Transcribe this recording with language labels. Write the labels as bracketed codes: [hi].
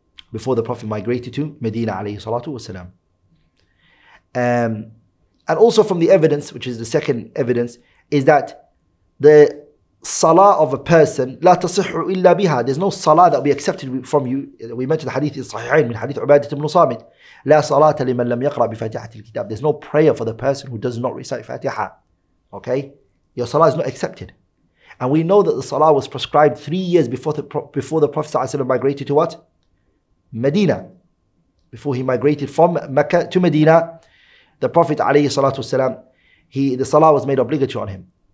[en] Before the Prophet migrated to Medina عليه الصلاة والسلام. And also from the evidence, which is the second evidence, is that the salah of a person [ar] لا تصح إلا بها. [en] There's no salah that will be accepted from you. We mentioned hadith in Sahihain [ar] من حديث عبادة بن صامت. لا صلاة لمن لم يقرأ بفاتحة الكتاب. [en] There's no prayer for the person who does not recite Fatiha. Okay? Your salah is not accepted. And we know that the salah was prescribed 3 years before the Prophet ﷺ migrated to what? Medina. Before he migrated from Mecca to Medina, the Prophet ﷺ, the salah was made obligatory on him.